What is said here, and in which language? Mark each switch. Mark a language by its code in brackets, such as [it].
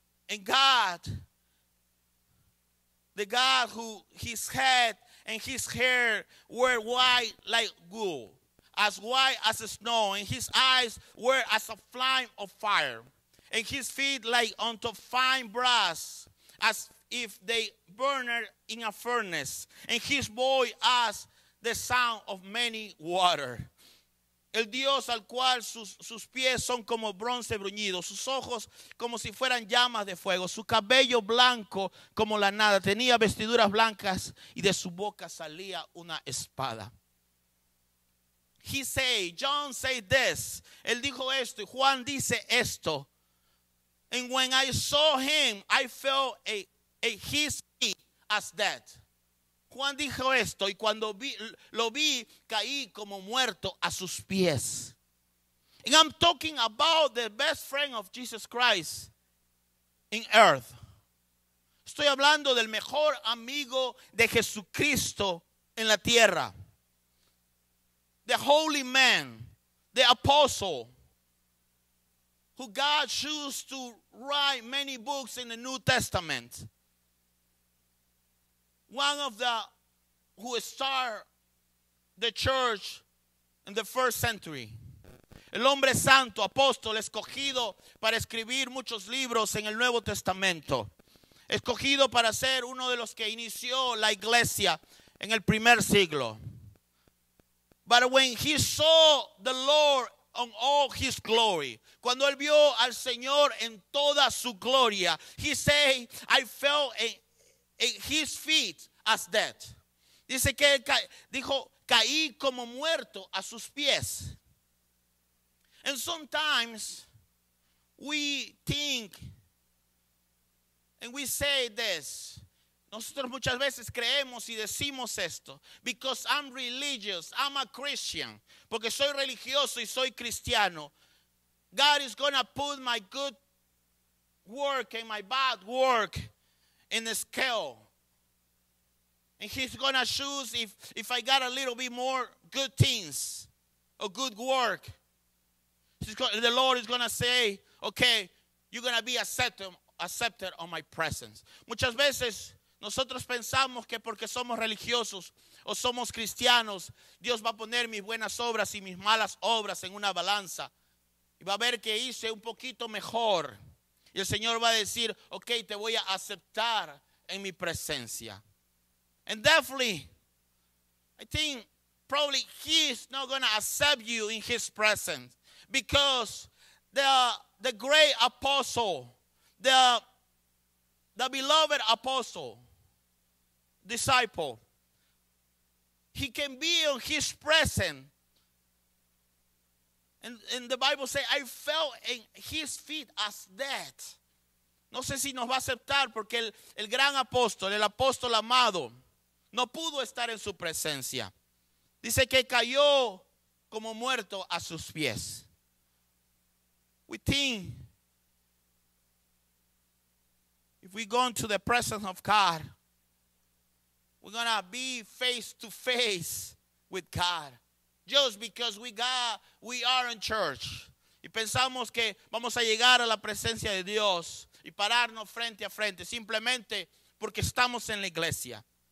[en] And God, the God who his head and his hair were white like wool, as white as snow, and his eyes were as a flame of fire, and his feet like unto fine brass, as if they burned in a furnace, and his voice as the sound of many water. [es] El Dios al cual sus pies son como bronce bruñido, sus ojos como si fueran llamas de fuego, su cabello blanco como la nada, tenía vestiduras blancas y de su boca salía una espada. [en] He say, John say this, [es] él dijo esto y Juan dice esto. [en] And when I saw him, I felt a his feet as dead. [es] Juan dijo esto, y cuando lo vi, caí como muerto a sus pies. [en] And I'm talking about the best friend of Jesus Christ in earth. [es] Estoy hablando del mejor amigo de Jesucristo en la tierra. [en] The holy man, the apostle, who God chose to write many books in the New Testament. One of the who started the church in the first century. [es] El hombre santo, apóstol, escogido para escribir muchos libros en el Nuevo Testamento. Escogido para ser uno de los que inició la iglesia en el primer siglo. [en] But when he saw the Lord on all his glory, [es] cuando él vio al Señor en toda su gloria, [en] he said, I fell at his feet as dead. [es] Dice que dijo, caí como muerto a sus pies. [en] And sometimes we think and we say this. [es] Nosotros muchas veces creemos y decimos esto. [en] Because I'm religious, I'm a Christian. [es] Porque soy religioso y soy cristiano. [en] God is going to put my good work and my bad work in the scale. And he's going to choose if I got a little bit more good things or good work. The Lord is going to say, okay, you're going to be accepted on my presence. [es] Muchas veces nosotros pensamos que porque somos religiosos o somos cristianos, Dios va a poner mis buenas obras y mis malas obras en una balanza. Y va a ver que hice un poquito mejor. Y el Señor va a decir, okay, te voy a aceptar en mi presencia. [en] And definitely, I think probably he's not going to accept you in his presence, because the great apostle, the beloved apostle, disciple, he can be in his presence. And the Bible says, I fell in his feet as dead. [es] No sé si nos va a aceptar porque el gran apóstol, el apóstol amado, no pudo estar en su presencia. Dice que cayó como muerto a sus pies. [en] We think, if we go into the presence of God, we're going to be face to face with God. Just because we are in church. [es] Y pensamos que vamos a llegar a la presencia de Dios y pararnos frente a frente simplemente porque estamos en la iglesia.